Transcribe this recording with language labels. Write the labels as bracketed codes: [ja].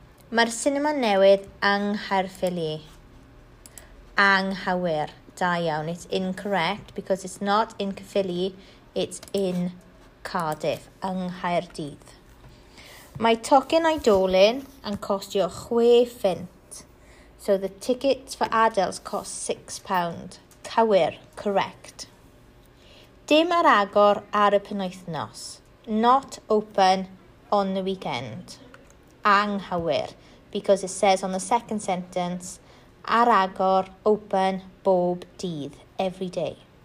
[cy] Mae'r sinema newydd yng Nghaerffili. Anghywir. Da iawn. [en] It's incorrect because it's not in Caerphilly, it's in Cardiff, [cy] yng Nghaerdydd. Mae tocyn oedolyn yn costio 6 punt. [en] So the tickets for adults cost £6. [cy] Cywir. [en] Correct. [cy] Dim ar agor ar y penwythnos. [en] Not open on the weekend. [cy] Anghywir. [en] Because it says on the second sentence, [cy] ar agor, [en] open, [cy] bob dydd, [en] every day.